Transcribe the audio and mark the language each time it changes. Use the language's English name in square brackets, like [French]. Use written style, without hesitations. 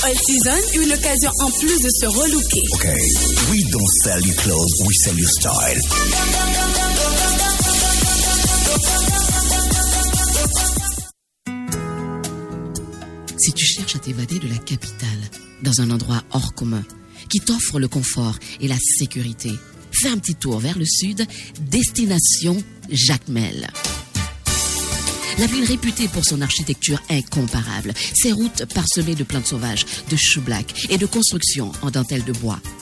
[French] All Season, une occasion en plus de se relooker. Ok. [English] We don't sell your clothes, we sell your style. [French] Si tu cherches à t'évader de la capitale, dans un endroit hors commun, qui t'offre le confort et la sécurité, fais un petit tour vers le sud, destination Jacmel. La ville réputée pour son architecture incomparable, ses routes parsemées de plantes sauvages, de choublac et de constructions en dentelle de bois.